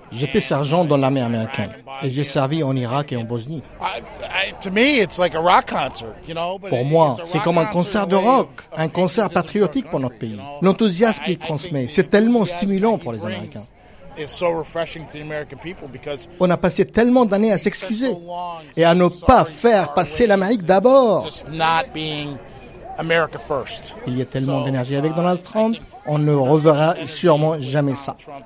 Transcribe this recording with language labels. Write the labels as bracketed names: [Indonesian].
[French] J'étais sergent dans l'armée américaine et j'ai servi en Irak et en Bosnie. [English] To me, it's like a rock concert, you know. [French] Pour moi, c'est comme un concert de rock, un concert patriotique pour notre pays. L'enthousiasme qu'il transmet, c'est tellement stimulant pour les Américains. [English] It's so refreshing to the American people because [French] on a passé tellement d'années à s'excuser et à ne pas faire passer l'Amérique d'abord. Il y a tellement d'énergie avec Donald Trump, on ne reverra sûrement jamais ça.